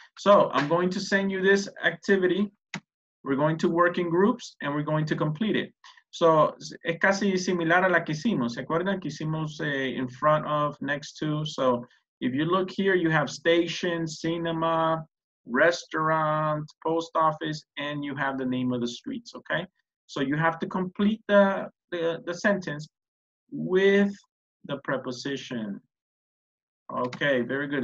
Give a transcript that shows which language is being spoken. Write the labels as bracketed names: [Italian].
[English] So I'm going to send you this activity. We're going to work in groups and we're going to complete it. [Spanish] So es casi similar a la que hicimos. ¿Se acuerdan? Que hicimos [English] in front of, next to. So if you look here, you have station, cinema, restaurant, post office, and you have the name of the streets, okay? So you have to complete the sentence with the preposition. Okay, very good.